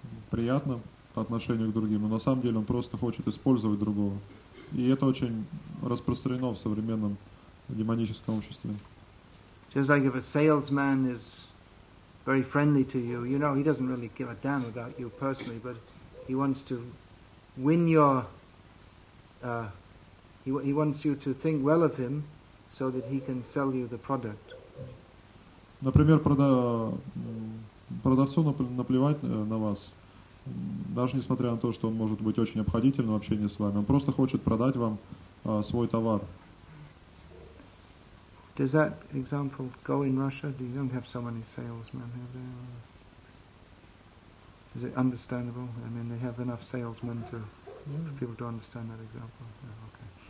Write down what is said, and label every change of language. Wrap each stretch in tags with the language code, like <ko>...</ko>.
<ru>приятно по отношению к другим, но на самом деле он просто хочет использовать другого. И это очень распространено в современном демоническом обществе.</ru> <en>Just like if a salesman is very friendly to you, you know, he doesn't really give a damn about you personally, but he wants to win your he wants you to think well of him so that he can sell you the product.</en> <ru>Например, продавцу наплевать на вас. Даже несмотря на то, что он может быть очень обходительным в общении с вами, он просто хочет продать вам свой товар.</ru> <en>Does that example go in Russia? Do you don't have so many salesmen here? Is it understandable? I mean, they have enough salesmen to for people to understand that example. Yeah, okay.</en>